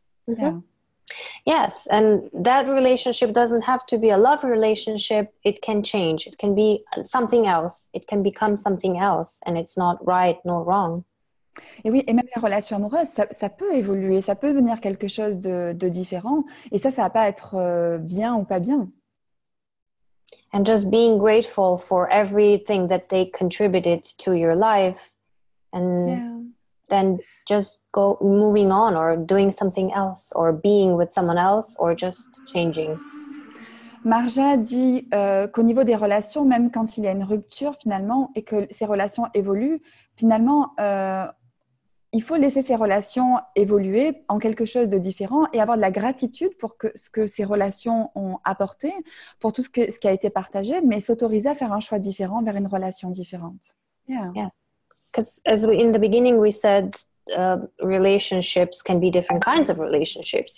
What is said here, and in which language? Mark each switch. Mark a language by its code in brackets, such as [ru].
[en] Yeah. Yes, and that relationship doesn't have to be a love relationship. It can change. It can be something else. It can become something else, and it's not right nor wrong. [fr] Et oui, et même les relations amoureuses, ça peut évoluer, ça peut devenir quelque chose de différent, et ça va pas être bien ou pas bien. [en] And just being grateful for everything that they contributed to your life, and then just go moving on or doing something else or being with someone else or just changing. [fr] Marja dit qu'au niveau des relations, même quand il y a une rupture finalement et que ces relations évoluent, finalement, il faut laisser ces relations évoluer en quelque chose de différent et avoir de la gratitude pour ce que ces relations ont apporté, pour tout ce qui a été partagé, mais s'autoriser à faire un choix différent vers une relation différente. [en] Yeah. Yes. Because as we, in the beginning, we said relationships can be different kinds of relationships.